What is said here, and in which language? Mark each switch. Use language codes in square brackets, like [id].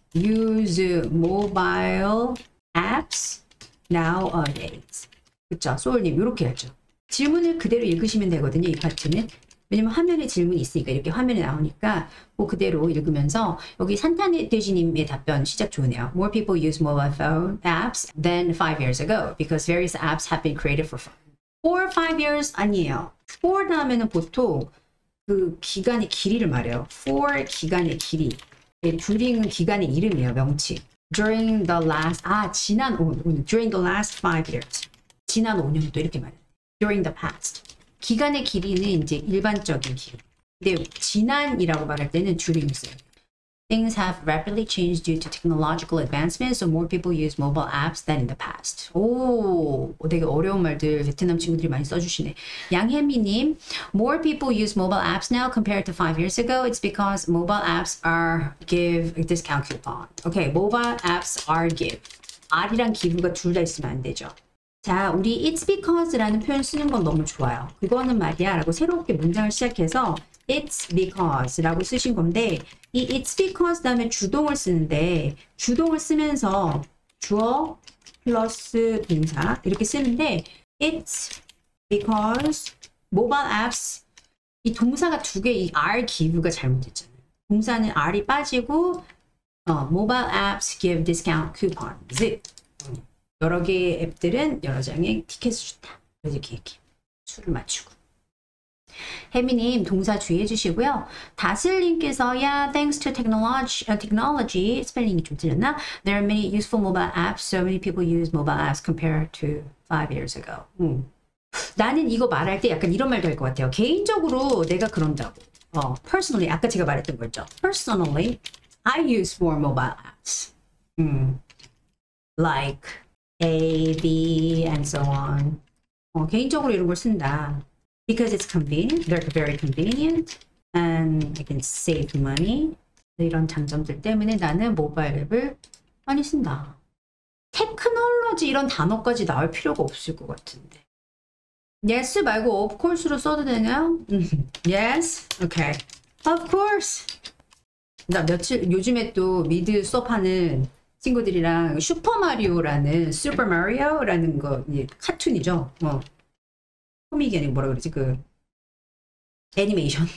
[en] Use mobile apps nowadays. [ko] 그쵸, 소울님, 이렇게 하죠. 질문을 그대로 읽으시면 되거든요, 이 파트는. 왜냐면 화면에 질문이 있으니까, 이렇게 화면에 나오니까, 뭐 그대로 읽으면서, 여기 산타네돼지님의 답변 시작 좋으네요. [en] More people use mobile phone apps than 5 years ago because various apps have been created for fun. [ko] 4, [en] 5 years [ko] 아니에요. 4 다음에는 보통 그 기간의 길이를 말해요. 4 기간의 길이. 줄이는 기간의 이름이에요, 명칭. [en] During the last, 아, [ko] 지난 5, [en] during the last 5 years. [ko] 지난 5년도 이렇게 말해요. [en] During the past. [ko] 기간의 길이는 이제 일반적인 길이. 근데 지난이라고 말할 때는 줄임말. [en] Things have rapidly changed due to technological advancements, so more people use mobile apps than in the past. [ko] 오, 되게 어려운 말들 베트남 친구들이 많이 써주시네. [en] 양혜미님, more people use mobile apps now compared to 5 years ago. It's because mobile apps are give a discount coupon. Okay, mobile apps are give. [ko] are이랑 give가 둘다 있으면 안 되죠. 자, 우리 it's because라는 표현 쓰는 건 너무 좋아요. 그거는 말이야라고 새롭게 문장을 시작해서 it's because라고 쓰신 건데, 이 it's because 다음에 주동을 쓰는데, 주동을 쓰면서 주어 플러스 동사 이렇게 쓰는데, [en] it's because mobile apps, [ko] 이 동사가 두 개, 이 are give가 잘못됐잖아요. 동사는 are이 빠지고, [en] mobile apps give discount coupons. [ko] 여러 개의 앱들은 여러 장의 티켓을 준다. 이렇게 얘기해. 수를 맞추고. 혜미님, 동사 주의해 주시고요. 다슬님께서, [en] Yeah, thanks to technology, [ko] 스펠링이 좀 틀렸나? [en] There are many useful mobile apps. So many people use mobile apps compared to 5 years ago. [ko] 나는 이거 말할 때 약간 이런 말도 할것 같아요. 개인적으로 내가 그런다고. [en] Personally, 아까 제가 말했던 거죠. Personally, I use more mobile apps. Like, A, B, and so on. [ko] 개인적으로 이런 걸 쓴다. [en] Because it's convenient, they're very convenient, and I can save money. [ko] 이런 장점들 때문에 나는 모바일 앱을 많이 쓴다. 테크놀로지 이런 단어까지 나올 필요가 없을 것 같은데. Yes 말고 of course로 써도 되나요? [en] Yes, okay, of course. [ko] 나 며칠 요즘에 또 미드 수업하는 친구들이랑 슈퍼마리오라는, 슈퍼마리오라는 거, 예, 카툰이죠. 코믹이 아니고 뭐라 그러지? 그, 애니메이션.